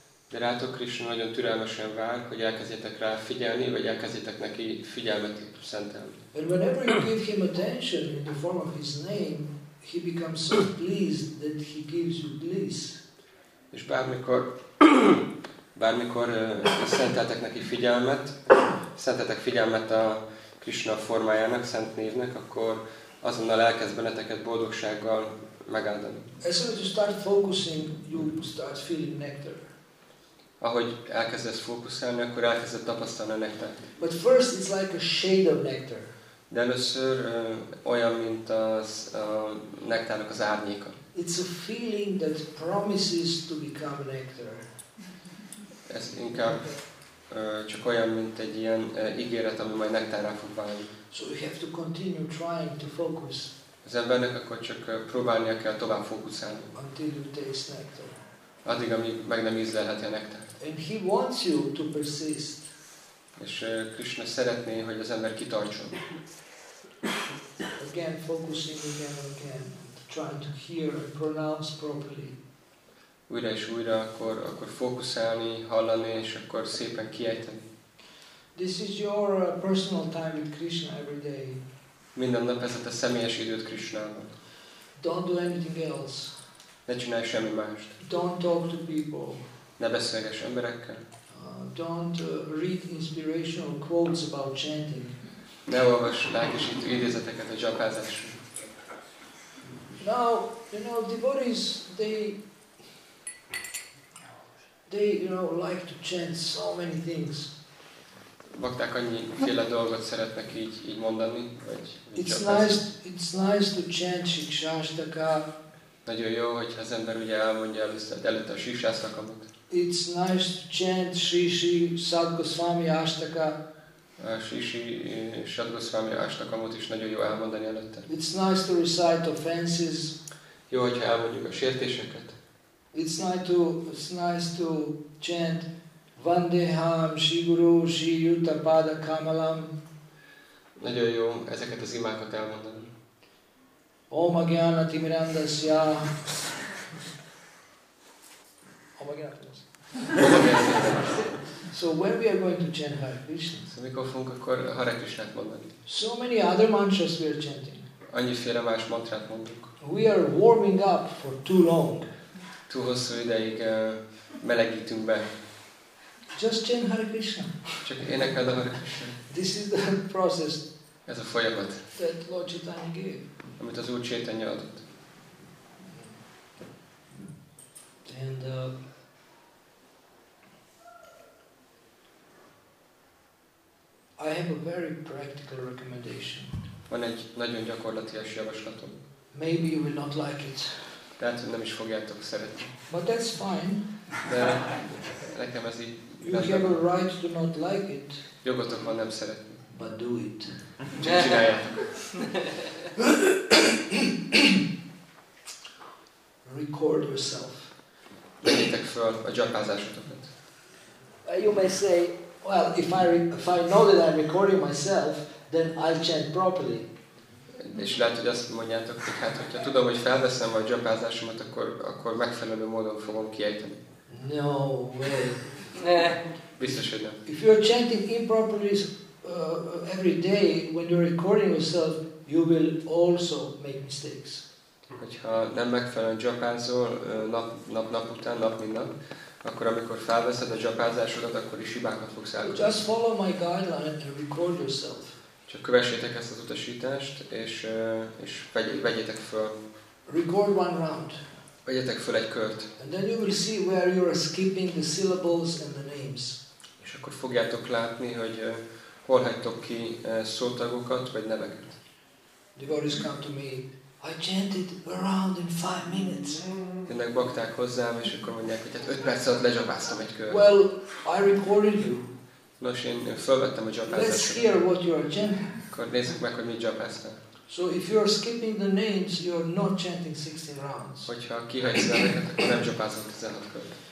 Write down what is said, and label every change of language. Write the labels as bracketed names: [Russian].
[Hungarian] De rátok, Krishna nagyon türelmesen vár, hogy elkezdjetek rá figyelni, vagy elkezdjetek neki figyelmet szentelni. [English] And whenever you give him attention in the form of his name, he becomes so pleased that he gives you bliss. [Hungarian] És bármikor szenteltek neki figyelmet, szentetek figyelmet a Krishna formájának, szent névnek, akkor azonnal elkezd benneteket boldogsággal megáldani. [English] As soon as you start focusing, you start feeling nectar. [Hungarian] Ahogy elkezdesz fókuszálni, akkor elkezded tapasztalni a nektárt. [English] But first it's like a shade of nectar. [Hungarian] De először olyan, mint az a nektárnak az árnyéka. [English] It's a feeling that promises to become nectar. [Hungarian] Ez inkább csak olyan, mint egy ilyen ígéret, ami majd nektárra fog válni. [English] So we have to continue trying to focus. [Hungarian] Az embernek akkor csak próbálnia kell tovább fókuszálni. [English] Until you taste nectar. [Hungarian] Addig, amíg meg nem ízlelheti a nektár. [English] And he wants you to persist. [Hungarian] És Krishna szeretné, hogy az ember kitartson. [English] Again, focusing again and again. Trying to hear and pronounce properly. [Hungarian] Újra és újra, akkor fókuszálni, hallani, és akkor szépen kiejteni. [English] This is your personal time with Krishna every day. [Hungarian] Minden nap ez a te személyes időt Krishnával. [English] Don't do anything else. [Hungarian] Ne csinálj semmi mást. [English] Don't talk to people. [Hungarian] Ne beszélgess emberekkel. [English] don't read inspirational quotes about chanting. [Hungarian] Ne olvass lelkesítő idézeteket a dzsapázásról. [English] Now, you know, devotees, they you know, like to chant so many things. [Hungarian] Bakták annyiféle dolgot szeretnek így mondani, vagy [English] it's nice to chant Shikshastaka. [Hungarian] Nagyon jó, hogy az ember ugye elmondja előtte a Shikshastakamot. [English] It's nice to chant Shri Sad Goswami Ashtaka. [Hungarian] A Shri Sad Goswami Ashtakamot is nagyon jó elmondani előtte. [English] It's nice to recite offenses. [Hungarian] Jó, hogyha elmondjuk a sértéseket. [English] It's nice to chant [Sanskrit] Vandeham Shri Guru Shri Yuta Pada Kamalam. [Hungarian] Nagyon jó ezeket az imákat elmondani. [Sanskrit] Om Agyana Timirandasya. Om Agyana Timirandasya. [English] So when we are going to chant Hare Krishna? [Hungarian] So mikor fogunk akkor Hare Krishnát mondani? [English] So many other mantras we are chanting. [Hungarian] Annyiféle más mantrát mondunk. [English] We are warming up for too long. [Hungarian] Túl hosszú ideig melegítünk be. [English] Just chant Hare Krishna. [Hungarian] Csak énekeld a Hare Krishna. [English] This is the process. [Hungarian] Ez a folyamat. [English] That Lord Chaitanya gave. [Hungarian] Amit az Úr Chaitanya adott. [English] And I have a very practical recommendation. [Hungarian] Van egy nagyon gyakorlatias javaslatom. [English] Maybe you will not like it. [Hungarian] Tehát nem is fogjátok szeretni. [English] But that's fine. [Hungarian] De nekem ez így. [English] You [Hungarian] rendben. [English] Have a right to not like it. [Hungarian] Jogotok van nem szeretni. [English] But do it. [Hungarian] Csak csináljátok. [English] Record yourself. [Hungarian] Vegyétek föl a gyakázásotokat. [English] You may say, well, if I know that I'm recording myself, then I'll chant properly. [Hungarian] És lehet, hogy azt mondjátok, hogy hát, hogyha tudom, hogy felveszem a dzsapázásomat, akkor megfelelő módon fogom kiejteni. [English] No way. [Hungarian] Biztos, hogy nem. [English] If you're chanting improperly every day when you're recording yourself, you will also make mistakes. [Hungarian] Hogyha nem megfelelően dzsapázol nap után, nap minden, akkor amikor felveszed a dzsapázásodat, akkor is hibákat fogsz elkövetni. [English] Just follow my guideline and record yourself. [Hungarian] Csak kövessétek ezt az utasítást, és vegyétek föl. [English] Record one round. [Hungarian] Vegyétek föl egy kört. [English] And then you will see where you are skipping the syllables and the names. [Hungarian] És akkor fogjátok látni, hogy hol hagytok ki szótagokat vagy neveket. [English] Devotees come to me. I chanted around in 5 minutes. [Hungarian] Jönnek bakták hozzám, és akkor mondják, hogy hát 5 perc alatt lezsabáztam egy kört. [English] Well, I recorded you. [Hungarian] Nos, én fölvettem a dzsapázást. [English] Let's hear what you are chanting. [Hungarian] Akkor nézzük meg, hogy mit dzsapáztam. [English] So if you are skipping the names, you are not chanting 16 rounds. [Hungarian] Hogyha kihagysz a neveket, akkor nem dzsapázom 16 kört.